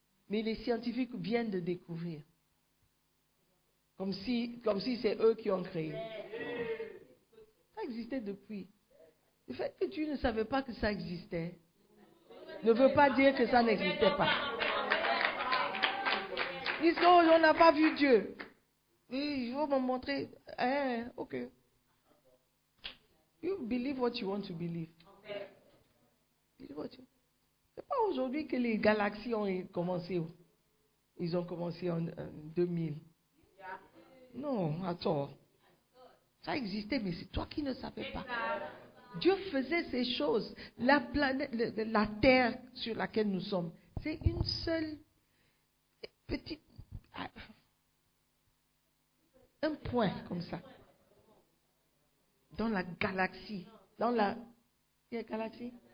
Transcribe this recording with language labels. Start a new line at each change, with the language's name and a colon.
French: Mais les scientifiques viennent de découvrir. Comme si c'est eux qui ont créé. Ça existait depuis. Le fait que tu ne savais pas que ça existait ne veut pas dire que ça n'existait pas. Ils disent, oh, on n'a pas vu Dieu. Oui, je vais me montrer. Ok.
English: You believe what you want to believe. Believe what you want.
French: C'est pas aujourd'hui que les galaxies ont commencé. Ils ont commencé en 2000. Non, à tort. Ça existait, mais c'est toi qui ne savais pas. Dieu faisait ces choses. La planète, la Terre sur laquelle nous sommes, c'est une seule petite, un point comme ça dans la galaxie, dans la galaxie.